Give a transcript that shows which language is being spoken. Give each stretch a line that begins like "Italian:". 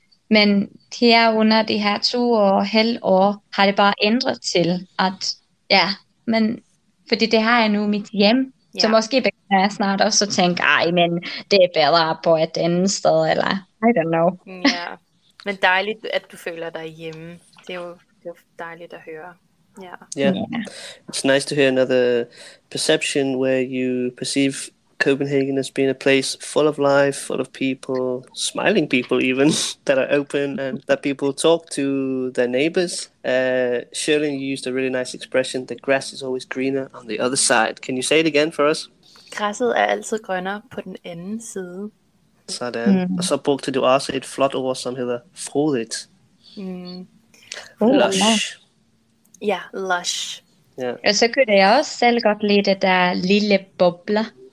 Danish: Men her under de her 2,5 år har det bare ændret til, at fordi det har jeg nu mit hjem, så måske begynder jeg snart også at tænke, ej, men det er bedre på et andet sted, eller
English: I don't know.
Danish: Men dejligt, at du føler dig hjemme. Det er jo dejligt at høre.
English: Yeah. It's nice to hear another perception where you perceive Copenhagen as being a place full of life, full of people, smiling people even, that are open and that people talk to their neighbors. Sherlyn, you used a really nice expression, the grass is always greener on the other side. Can you say it again for us?
Danish: Græsset er altid grønnere på den anden side. Sådan. Mm. Og så brugte du også et flot ord, som hedder frodigt. Mm.
English: Lush.
Danish: Ja, lush.
English: Yeah.
Danish: Og så kunne jeg også selv godt lide det der lille bobler.